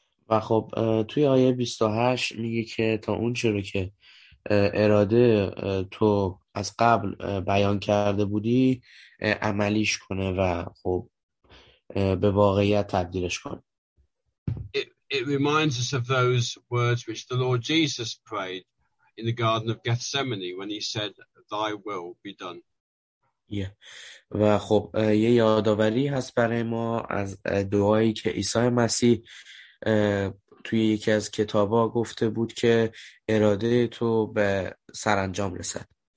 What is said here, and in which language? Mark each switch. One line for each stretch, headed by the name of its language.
Persian: و خب توی آیه 28 میگه که تا اون چیزی که اراده تو از قبل بیان کرده بودی عملیش کنه و خب به واقعیت تبدیلش کنه.
English: It reminds us of those words which the Lord Jesus prayed in the Garden of Gethsemane when he said, "Thy will be done." Yeah.
Persian: و خب یه یادآوری هست برای ما از دعایی که عیسی مسیح توی یکی از کتابا گفته بود که اراده تو به سرانجام رسد.